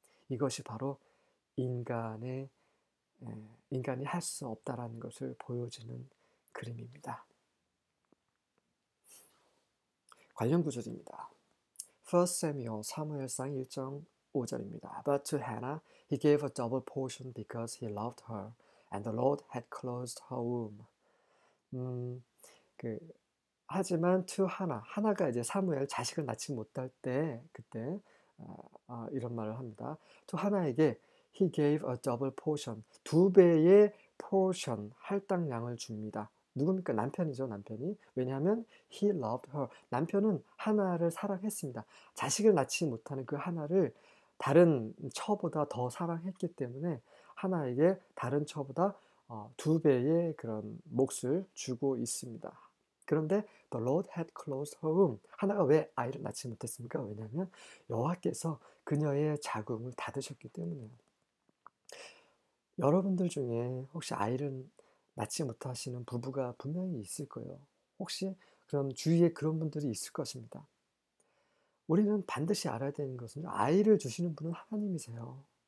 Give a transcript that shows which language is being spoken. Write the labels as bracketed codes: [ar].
[ko] 이것이 바로 인간이 할수 없다라는 것을 보여주는 그림입니다. 관련 구절입니다. 1 Samuel 사무엘상 1장 5절입니다. [en] But to Hannah, he gave a double portion because he loved her, and the Lord had closed her womb. [ko] 하지만 [en] to Hannah, [ko] 하나가 이제 사무엘 자식을 낳지 못할 때, 그때 이런 말을 합니다. [en] To 하나에게 he gave a double portion [ko] 두 배의 [en] portion 할당량을 줍니다. [ko] 누굽니까? 남편이죠, 남편이. 왜냐하면 [en] he loved her. [ko] 남편은 하나를 사랑했습니다. 자식을 낳지 못하는 그 하나를 다른 처보다 더 사랑했기 때문에 하나에게 다른 처보다 두 배의 그런 몫을 주고 있습니다. 그런데 [en] the Lord had closed her womb. [ko] 하나가 왜 아이를 낳지 못했습니까? 왜냐하면 여호와께서 그녀의 자궁을 닫으셨기 때문에요. 여러분들 중에 혹시 아이를 낳지 못하시는 부부가 분명히 있을 거예요. 혹시 그럼 주위에 그런 분들이 있을 것입니다. 우리는 반드시 알아야 되는 것은 아이를 주시는 분은 하나님이세요.